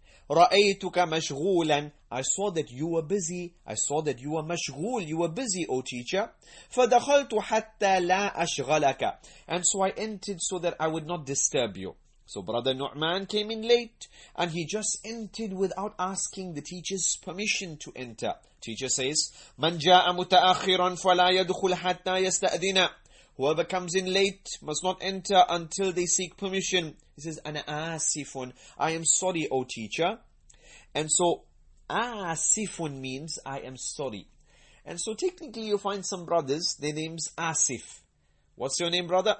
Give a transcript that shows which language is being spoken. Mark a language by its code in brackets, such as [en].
[ar] رأيتك مشغولا, [en] I saw that you were busy, I saw that you were مشغول, you were busy, O teacher. [ar] فدخلت حتى لا أشغلك, [en] and so I entered so that I would not disturb you. So brother Nu'man came in late, and he just entered without asking the teacher's permission to enter. Teacher says, [ar] من جاء متأخرا فلا يدخل حتى يستأذن. [en] Whoever comes in late must not enter until they seek permission. He says, [ar] أنا آسفٌ, [en] I am sorry, O teacher. And so, آسفٌ means I am sorry. And so technically you find some brothers, their name's Asif. What's your name, brother?